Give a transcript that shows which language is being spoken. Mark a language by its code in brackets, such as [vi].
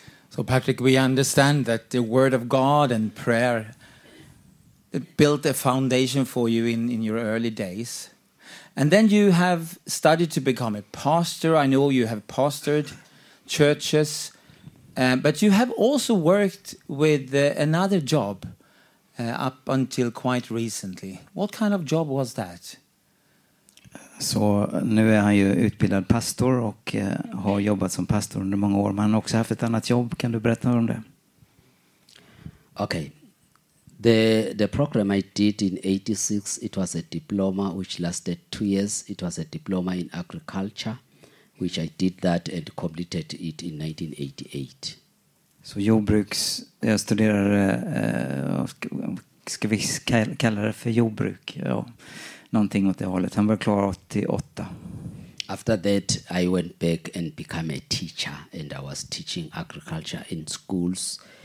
[en] So Patrick, we understand that the word of God and prayer built a foundation for you in your early days. And then you have started to become a pastor. I know you have pastored churches. But you have also worked with another job up until quite recently. What kind of job was that? [sv] Så nu är han ju utbildad pastor och har jobbat som pastor under många år. Men han har också haft ett annat jobb. Kan du berätta om det? [en] Okay. The program I did in 86, it was a diploma which lasted 2 years. It was a diploma in agriculture, which I did that and completed it in 1988. [sv] Så jordbruks, jag studerade, ska vi kalla det för jordbruk? Ja, någonting åt det hållet. Han var klar 88. [en] After that, I went back and became a teacher, and I was teaching agriculture in schools.